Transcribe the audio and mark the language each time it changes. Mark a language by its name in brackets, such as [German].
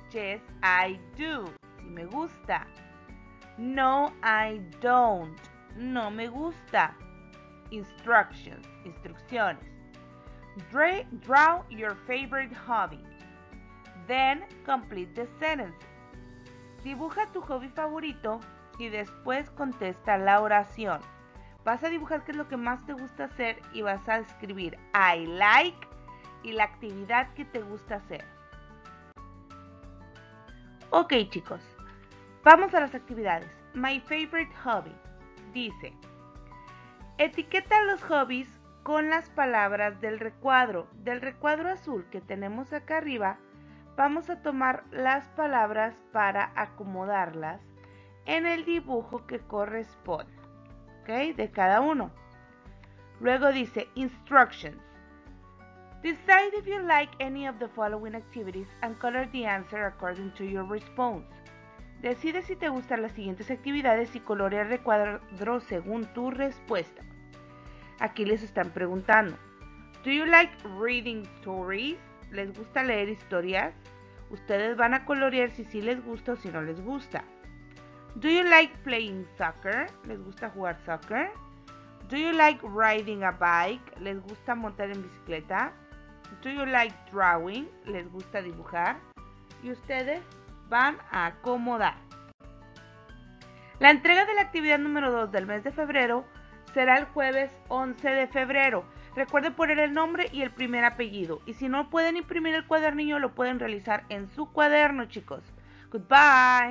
[English] Yes, I do. [Spanish] Sí me gusta. [English] No, I don't. [Spanish] No me gusta. Instructions. Instrucciones. [English] Draw your favorite hobby. Then complete the sentence. [Spanish] Dibuja tu hobby favorito y después contesta la oración. Vas a dibujar qué es lo que más te gusta hacer y vas a escribir [English] I like [Spanish] y la actividad que te gusta hacer. Ok, chicos, vamos a las actividades. [English] My favorite hobby [Spanish] dice, etiqueta los hobbies con las palabras del recuadro azul que tenemos acá arriba. Vamos a tomar las palabras para acomodarlas en el dibujo que corresponde, ¿ok? De cada uno. Luego dice, instructions. [English] Decide if you like any of the following activities and color the answer according to your response. [Spanish] Decide si te gustan las siguientes actividades y colorea el recuadro según tu respuesta. Aquí les están preguntando, [English] do you like reading stories? [Spanish] ¿Les gusta leer historias? Ustedes van a colorear si sí les gusta o si no les gusta. [English] Do you like playing soccer? [Spanish] ¿Les gusta jugar soccer? [English] Do you like riding a bike? [Spanish] ¿Les gusta montar en bicicleta? [English] Do you like drawing? [Spanish] ¿Les gusta dibujar? Y ustedes van a acomodar. La entrega de la actividad número 2 del mes de febrero será el jueves 11 de febrero. Recuerden poner el nombre y el primer apellido. Y si no pueden imprimir el cuadernillo, lo pueden realizar en su cuaderno, chicos. Goodbye.